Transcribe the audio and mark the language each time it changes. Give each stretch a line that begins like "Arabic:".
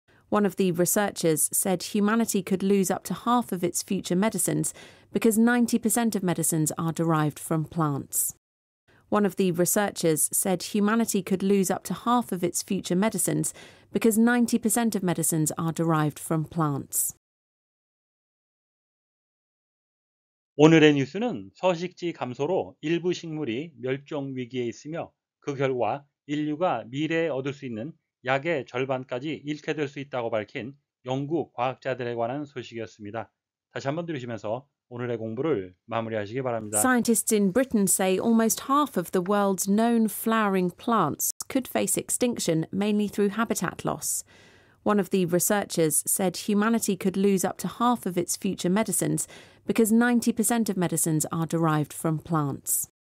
English: One of the researchers said humanity could lose up to half of its future medicines because 90% of medicines are derived from plants. One of the researchers said humanity could lose up to half of its future medicines because 90% of medicines are derived from plants.
Korean: 오늘의 뉴스는 서식지 감소로 일부 식물이 멸종 위기에 있으며 그 결과 인류가 미래에 얻을 수 있는 약의 절반까지 잃게 될 수 있다고 밝힌 영국 과학자들에 관한 소식이었습니다. 다시 한번 들으시면서 오늘의 공부를 마무리하시기 바랍니다.
English: Scientists in Britain say almost half of the world's known flowering plants could face extinction mainly through habitat loss. One of the researchers said humanity could lose up to half of its future medicines because 90% of medicines are derived from plants.